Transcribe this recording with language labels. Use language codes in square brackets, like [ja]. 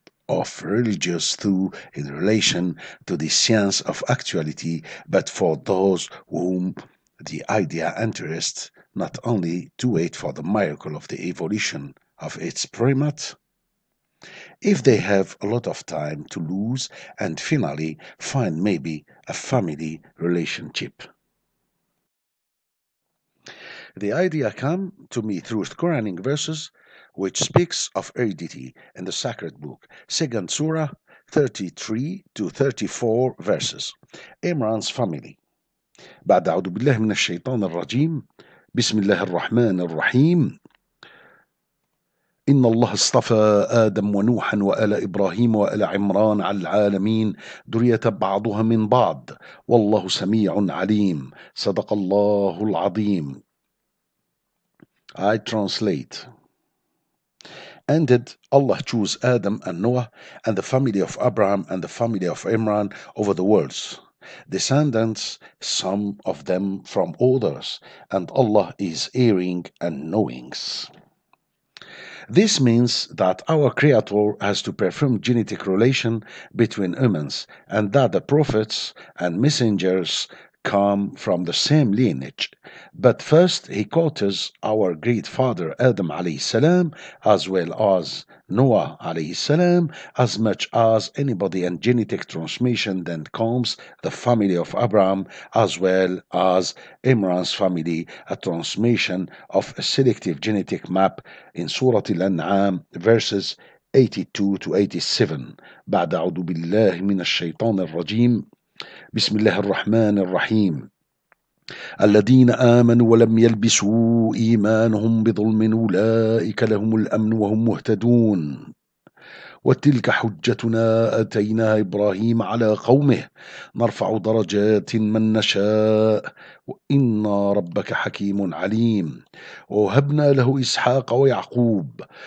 [en] of religious through in relation to the science of actuality, but for those whom the idea interests, not only to wait for the miracle of the evolution of its primate, if they have a lot of time to lose, and finally find maybe a family relationship. The idea came to me through Quranic verses which speaks of aridity in the sacred book, Second Surah 33-34 verses, Imran's family. [ar] بعد أعوذ بالله من الشيطان الرجيم بسم الله الرحمن الرحيم إن الله اصطفى آدم ونوحا وآل إبراهيم وآل عمران على العالمين ذرية بعضها من بعض والله سميع عليم صدق الله العظيم. [en] I translate. And did Allah choose Adam and Noah and the family of Abraham and the family of Imran over the worlds, descendants, some of them from others, and Allah is hearing and knowing. This means that our Creator has to perform genetic relation between humans, and that the prophets and messengers come from the same lineage. But first he quotes our great father Adam alayhi salam, as well as Noah alayhi salam, as much as anybody, and genetic transmission then comes the family of Abraham, as well as Imran's family, a transmission of a selective genetic map in Surah Al-An'am verses 82-87. [ar] بعد أعوذ بالله من الشيطان الرجيم بسم الله الرحمن الرحيم الذين آمنوا ولم يلبسوا إيمانهم بظلم أولئك لهم الأمن وهم مهتدون وتلك حجتنا أتينا إبراهيم على قومه نرفع درجات من نشاء وإنا ربك حكيم عليم ووهبنا له إسحاق ويعقوب